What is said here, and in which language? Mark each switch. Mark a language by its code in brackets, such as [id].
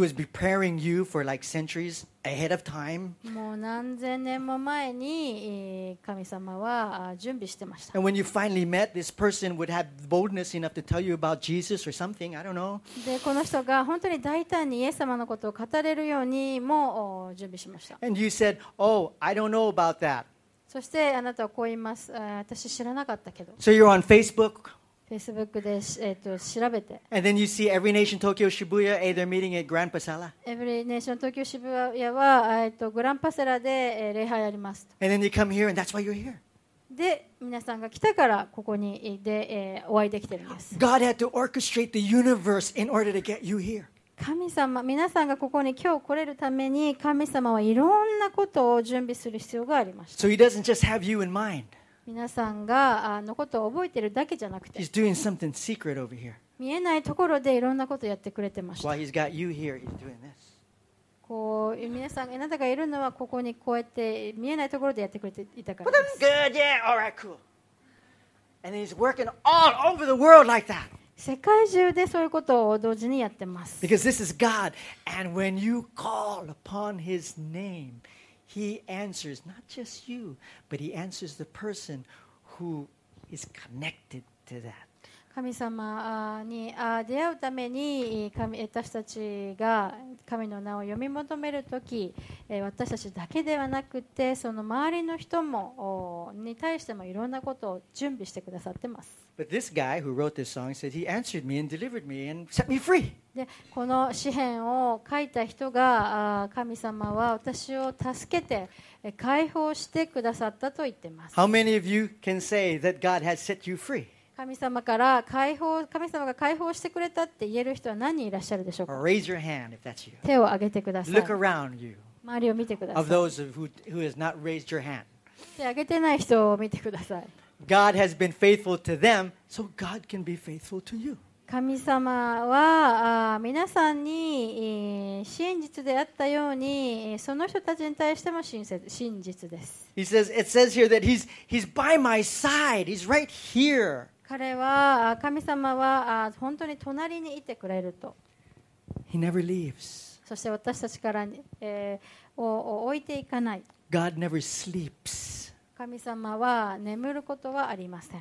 [en] He was preparing you for like centuries ahead of time. [ja] もう何千年も前に神様は準備してました。 [en] And when you finally met, this person would have boldness enough to tell you about Jesus or something. I don't know. [ja] で、この人が本当に大胆にイエス様のことを語れるようにも準備しました。 [en] And you said, oh, I don't know about that. [ja] そしてあなたはこう言います。私知らなかったけど。 [en] So you're on Facebook? [ja] Facebook で調べて。 [en] And then you see Every Nation Tokyo Shibuya, they're meeting at Grand Pasala. [ja] Every Nation Tokyo Shibuya は、グランパセラで、礼拝あります。 [en] And then you come here, and that's why you're here. [ja] で、皆さんが来たからここにで、お会いできてるんです。 [en] God had to orchestrate the universe in order to get you here. [ja] 神様、皆さんがここに今日来れるために神様はいろんなことを準備する必要がありました。 [en] So he doesn't just have you in mind. [ja] 皆さんがあのことを覚えてるだけじゃなくて、 [en] He's doing something secret over here. [ja] 見えないところでいろんなことをやってくれてました。 [en] While he's got you here, he's doing this. [ja] こう皆さんあなたがいるのはここにこうやって見えないところでやってくれていたからです。 [en] But I'm good, yeah, all right, cool. And he's working all over the world like that. [ja] 世界中でそういうことを同時にやってます。 [en] Because this is God, and when you call upon His name. He answers not just you, but he answers the person who is connected to that. [ja] 神様に出会うために私たちが神の名を読み求めるとき、私たちだけではなくてその周りの人もに対してもいろんなことを準備してくださってます。 [en] But this guy who wrote this song said he answered me and delivered me and set me free. [ja] でこの詩編を書いた人が神様は私を助けて解放してくださったと言ってます。 [en] How many of you can say that God has set you free? [ja] 神様から解放、神様が解放してくれたって言える人は何人いらっしゃるでしょうか。 [en] Raise your hand if that's you. [ja] 手を挙げてください。 [en] Look around you. [ja] 周りを見てください。 [en] Of those who has not raised your hand. [ja] 手を挙げてない人を見てください。 [en] God has been faithful to them, so God can be faithful to you. [ja] 神様は皆さんに真実であったようにその人たちに対しても真実です。 [en] He says, it says here that he's by my side. He's right here. [ja] 彼は神様は本当に隣にいてくれると。 [en] He never leaves. [ja] そして私たちからを置いていかない。 [en] God never sleeps. [ja] 神様は眠ることはありません。